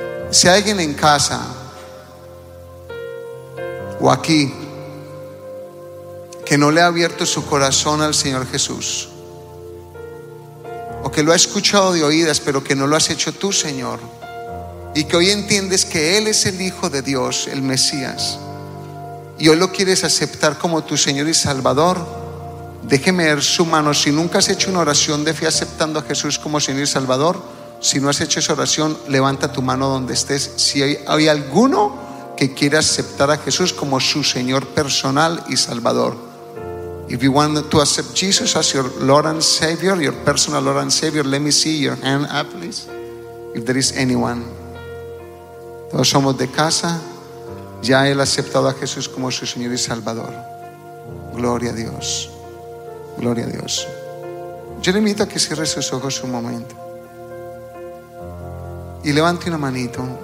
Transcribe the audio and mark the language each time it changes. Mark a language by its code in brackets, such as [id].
[es] Si alguien en casa o aquí que no le ha abierto su corazón al Señor Jesús, o que lo ha escuchado de oídas pero que no lo has hecho tú, Señor, y que hoy entiendes que Él es el Hijo de Dios, el Mesías, y hoy lo quieres aceptar como tu Señor y Salvador, déjeme ver su mano. Si nunca has hecho una oración de fe aceptando a Jesús como Señor y Salvador, si no has hecho esa oración, levanta tu mano donde estés. Si hay alguno que quiere aceptar a Jesús como su Señor personal y Salvador. [en] If you want to accept Jesus as your Lord and Savior, your personal Lord and Savior, let me see your hand up, please. If there is anyone. [es] Todos somos de casa. Ya Él ha aceptado a Jesús como su Señor y Salvador. Gloria a Dios. Gloria a Dios. Yo le invito a que cierre sus ojos un momento y levante una manito.